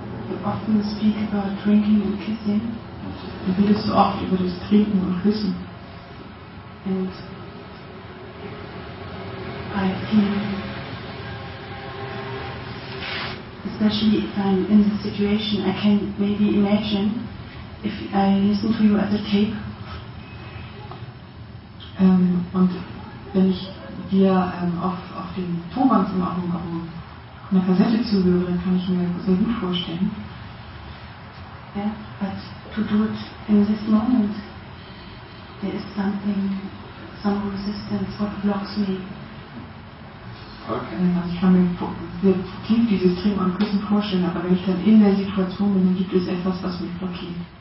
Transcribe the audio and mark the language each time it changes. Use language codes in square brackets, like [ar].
[en] You often speak about drinking and kissing. [de] Du redest so oft über das Trinken und Küssen. [en] And I feel, especially if I'm in the situation, I can maybe imagine if I listen to you at the tape. [de] Und wenn ich dir auf dem Tonband zum Augen auf einer Kassette zuhöre, dann kann ich mir sehr gut vorstellen. [en] Yeah, but to do it in this moment, there is something, some resistance, what blocks me. Okay. [de] Also ich kann mir sehr tief dieses Trinken und Küssen vorstellen, aber wenn ich dann in der Situation bin, dann gibt es etwas, was mich blockiert.